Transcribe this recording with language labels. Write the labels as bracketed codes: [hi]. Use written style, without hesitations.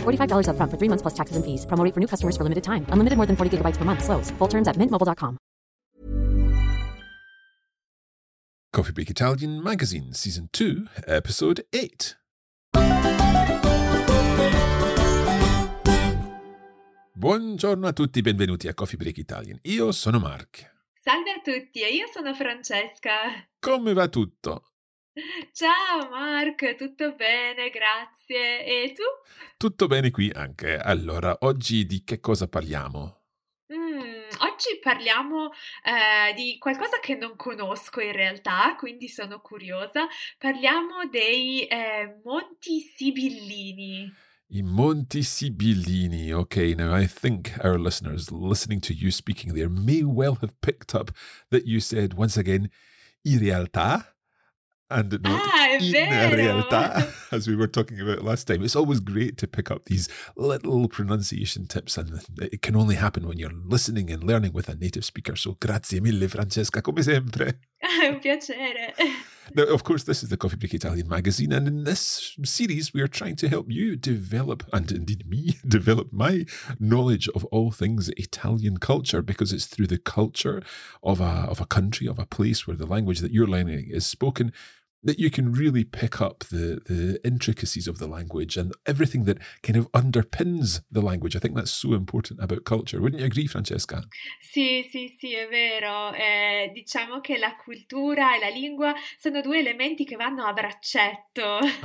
[en] $45 up front for 3 months plus taxes and fees. Promo rate for new customers for limited time. Unlimited more than 40 gigabytes per month. Slows full terms at mintmobile.com. Coffee Break Italian Magazine, Season 2, Episode 8. [it] Buongiorno a tutti, benvenuti a Coffee Break Italian. Io sono Mark. Salve a tutti, e io sono Francesca. Come va tutto? Ciao Mark, tutto bene, grazie. E tu? Tutto bene qui anche. Allora, oggi di che cosa parliamo? Oggi parliamo di qualcosa che non conosco in realtà, quindi sono curiosa. Parliamo dei Monti Sibillini. I Monti Sibillini. [en] Okay, now I think our listeners listening to you speaking there may well have picked up that you said once again, in realtà, and not in realtà, as we were talking about last time. It's always great to pick up these little pronunciation tips, and it can only happen when you're listening and learning with a native speaker. [it] So grazie mille, Francesca, come sempre. Un piacere. [en] Now, of course, this is the Coffee Break Italian magazine, and in this series, we are trying to help you develop, and indeed me, develop my knowledge of all things Italian culture, because it's through the culture of a country, of a place, where the language that you're learning is spoken, that you can really pick up the intricacies of the language and everything that kind of underpins the language. I think that's so important about culture. Wouldn't you agree, Francesca? [it] Sì, sì, sì, è vero. Diciamo che la cultura e la lingua sono due elementi che vanno a braccetto.